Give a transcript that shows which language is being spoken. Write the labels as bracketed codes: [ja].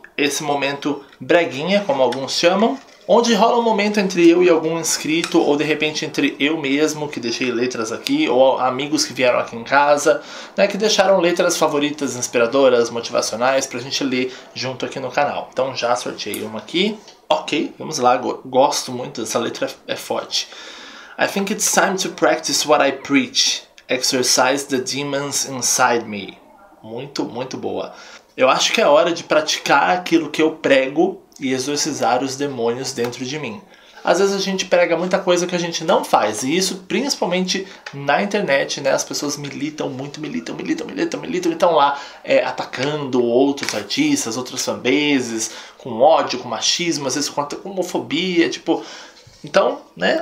[pt] Esse momento breguinha, como alguns chamam, onde rola um momento entre eu e algum inscrito, ou de repente entre eu mesmo, que deixei letras aqui, ou amigos que vieram aqui em casa, né, que deixaram letras favoritas, inspiradoras, motivacionais, pra gente ler junto aqui no canal. Então já sorteei uma aqui. Ok, vamos lá, gosto muito, essa letra é forte. [en] I think it's time to practice what I preach. Exercise the demons inside me. [pt] Muito, muito boa. Eu acho que é hora de praticar aquilo que eu prego e exorcizar os demônios dentro de mim. Às vezes a gente prega muita coisa que a gente não faz, e isso principalmente na internet, né? As pessoas militam muito, militam, e estão lá atacando outros artistas, outras fanbases, com ódio, com machismo, às vezes com homofobia, tipo... Então, né?